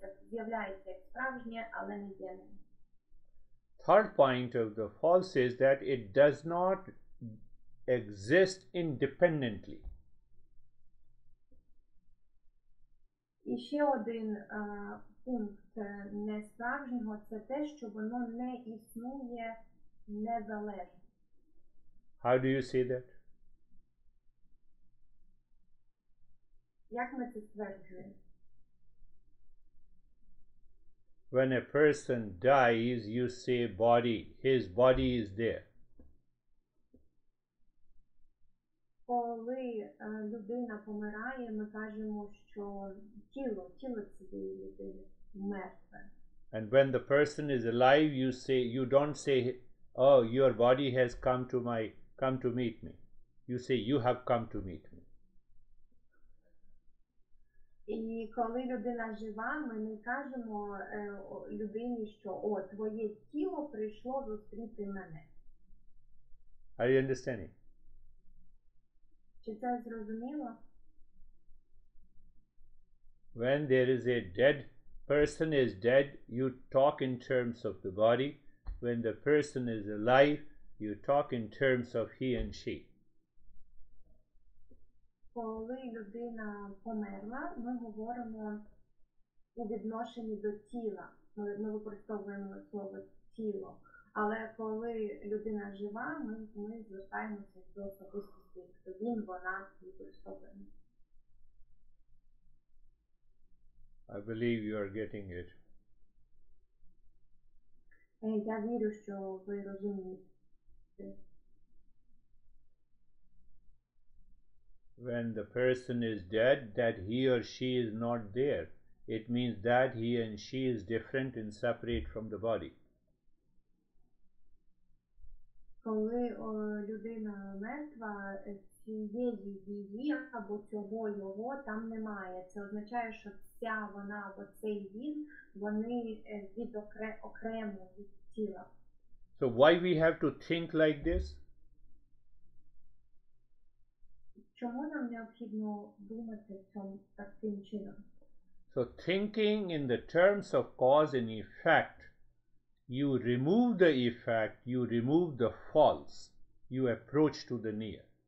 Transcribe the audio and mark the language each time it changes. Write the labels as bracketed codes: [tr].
[uk] З'являється як справжнє, але не є ним. [en] Third point of the false is that it does not exist independently. [uk] І ще один пункт несправжнього – це те, що воно не існує незалежно. [en] How do you say that? [uk] Як ми це стверджуємо? [en] When a person dies, you say body. His body is there. [uk] Коли людина помирає, ми кажемо, що тіло цієї людини мертве. [en] And when the person is alive, you don't say, oh, your body has come to meet me. You say, you have come to meet me. [uk] І коли людина жива, ми не кажемо людині, що о, твоє тіло прийшло зустріти мене. [en] Are you understanding? [uk] Чи це зрозуміло? [en] When there is a dead person is dead, you talk in terms of the body. When the person is alive, you talk in terms of he and she. [uk] Коли людина померла, ми говоримо у відношенні до тіла. Ми використовуємо слово тіло. Але коли людина жива, ми звертаємося до особистості, хто він, вона використовуємо. [en] I believe you are getting it. [uk] Я вірю, що ви розумієте. [en] When the person is dead, that he or she is not there. It means that he and she is different and separate from the body. [uk] Коли людина мертва, цієї її або цього його там немає. Це означає, що ця вона або цей він, вони окремо від тіла. [en] So why we have to think like this? [uk] Чому нам необхідно думати таким чином? [en] So thinking in the terms of cause and effect, you remove the effect, you remove the false, you approach to the near.